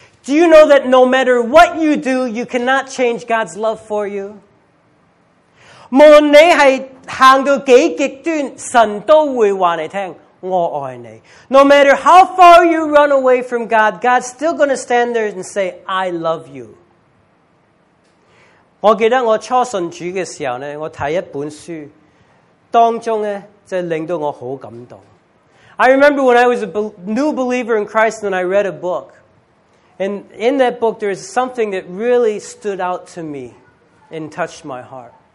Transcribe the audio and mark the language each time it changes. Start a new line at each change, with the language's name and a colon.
English: Do you know that no matter what you do, you cannot change God's love for you?
Chinese: 无论你是走到多极端,神都会告诉你,我爱你。
English: No matter how far you run away from God, God's still going to stand there and say, I love you.
Chinese: 我记得我初信主的时候,我看一本书,当中令到我很感动。
English: I remember when I was a new believer in Christ and I read a book. And in that book, there is something that really stood out to me and touched my heart.